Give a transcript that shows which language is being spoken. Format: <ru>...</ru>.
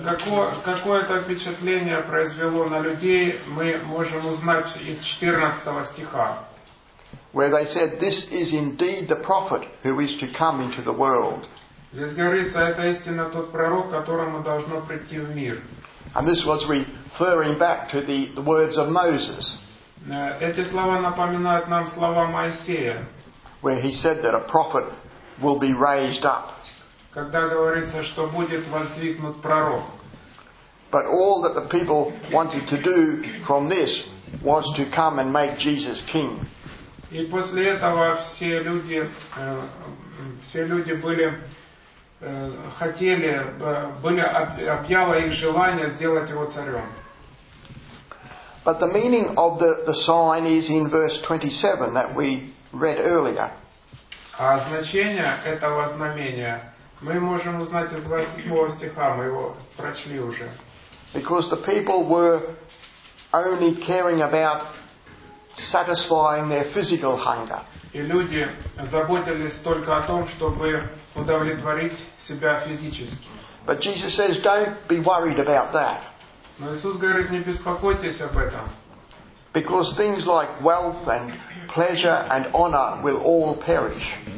<ru>Какое это впечатление произвело на людей, мы можем узнать из 14 стиха.</ru> <en>Where they said, "This is indeed the prophet who is to come into the world."</en> <ru>Здесь говорится, это истинно тот пророк, которому должно прийти в мир.</ru> <en>And this was referring back to the words of Moses.</en> <ru>Эти слова напоминают нам слова Моисея.</ru> <en>Where he said that a prophet will be raised up.</en> <ru>Когда говорится, что будет воздвигнут пророк.</ru> <en>But all that the people wanted to do from this was to come and make Jesus king.</en> <ru>И после этого все люди были объявлено их желание сделать его царем.</ru> <en>But the meaning of the sign is in verse 27 that we read earlier.</en> <ru>А значение этого знамения мы можем узнать из 27 стиха, мы его прочли уже.</ru> <en>Because the people were only caring about satisfying their physical hunger.</en> <ru>И люди заботились только о том, чтобы удовлетворить себя физически.</ru> <en>But Jesus says, "Don't be worried about that."</en> <ru>Но Иисус говорит, не беспокойтесь об этом.</ru> <en>Because things like wealth and pleasure and honor will all perish.</en>